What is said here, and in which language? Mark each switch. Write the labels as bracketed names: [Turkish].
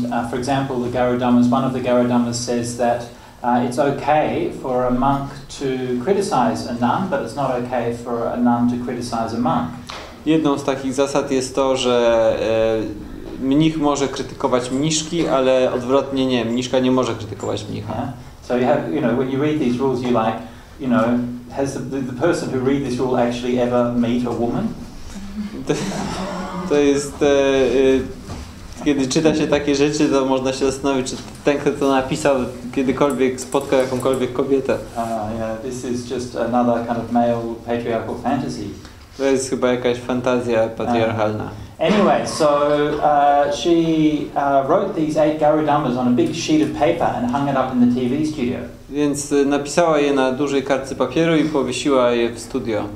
[English] For example, the Garudamas, one of the Garudamas says that it's okay for a monk to criticize a nun, but it's not okay for a nun to criticize a monk. [Polish] Jedną z takich zasad jest to, że mnich może krytykować mniszki, ale odwrotnie nie, mniszka nie może krytykować mnicha. Yeah. [English] So you have, you know, when you read these rules, you like, you know, has the person who read this rule actually ever meet a woman? [Polish] To jest, kiedy czyta się takie rzeczy, to można się zastanowić, czy ten, kto to napisał, kiedykolwiek spotkał jakąkolwiek kobietę. [English] Yeah, this is just another kind of male patriarchal fantasy. [Polish] To jest chyba jakaś fantazja patriarchalna. [English] Anyway, so she wrote these 8 Garudamas on a big sheet of paper and hung it up in the TV studio. [Polish] Więc napisała je na dużej kartce papieru i powiesiła je w studio.